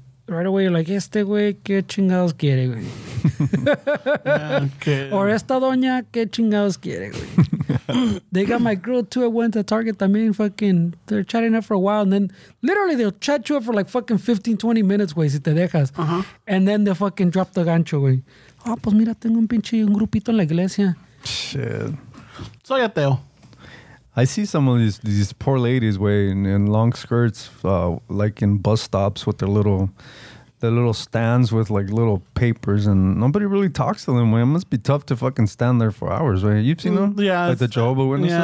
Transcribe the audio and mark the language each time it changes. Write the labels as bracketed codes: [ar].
[en] Right away, you're like, [es] este güey, ¿qué chingados quiere, güey? [en] Or [es] esta doña, ¿qué chingados quiere, güey? [en] They got my girl, too. I went to Target también, fucking. They're chatting up for a while, and then literally they'll chat you up for like fucking 15, 20 minutes, [es] güey, si te dejas. [en] Uh-huh. And then they fucking drop the gancho, güey. [es] Ah, pues mira, tengo un pinche un grupito en la iglesia. [en] Shit. [es] Soy ateo. [en] I see some of these poor ladies wearing in long skirts, like in bus stops with their little stands with like little papers, and nobody really talks to them. Man, it must be tough to fucking stand there for hours, right? You've seen them, yeah, like the Jehovah Witnesses.